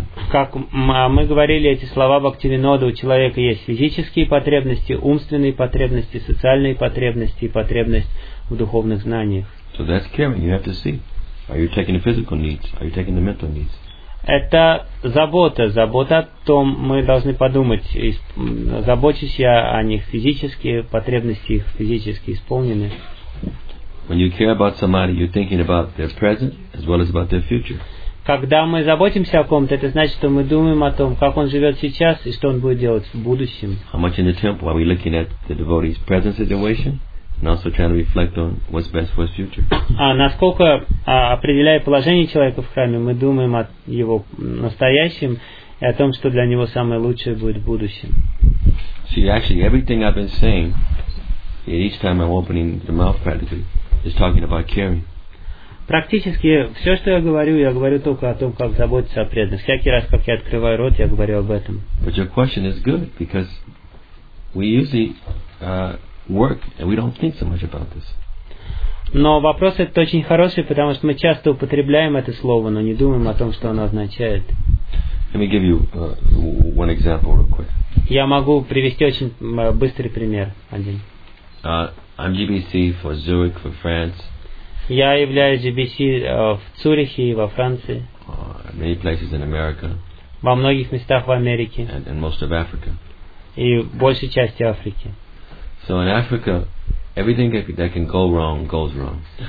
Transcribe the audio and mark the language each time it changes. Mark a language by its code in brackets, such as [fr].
[ru] Как мы говорили эти слова Бхактивинода, у человека есть физические потребности, умственные потребности, социальные потребности и потребность в духовных знаниях. [en] So that's caring. You have to see. Are you taking the physical needs? Are you taking the mental needs? [ru] Это забота. Забота о том, мы должны подумать, забочусь я о них физически, потребности их физически исполнены. [en] When you care about somebody, you're thinking about their present as well as about their future. [ru] Когда мы заботимся о ком-то, это значит, что мы думаем о том, как он живет сейчас и что он будет делать в будущем. [en] How much in the temple are we looking at the devotee's present situation? And also trying to reflect on what's best for his future. [ru] А насколько определяя положение человека в храме, мы думаем о его настоящем и о том, что для него самое лучшее будет в будущем. [en] See, actually, everything I've been saying, each time I'm opening the mouth practically, is talking about caring. [ru] Практически все, что я говорю только о том, как заботиться о преданных. Всякий раз, как я открываю рот, я говорю об этом. [en] But your question is good because we usually work and we don't think so much about this. [ru] Но вопрос этот очень хороший, потому что мы часто употребляем это слово, но не думаем о том, что оно означает. [en] Let me give you one example real quick. [ru] Я могу привести очень быстрый пример один. [en] I'm GBC for Zurich, for France. [ru] Я являюсь GBC в Цюрихе и во Франции. [en] Many places in America. [ru] Во многих местах в Америке. [en] And most of Africa. [ru] И большей части Африки. [en] So in Africa, everything that can go wrong goes wrong.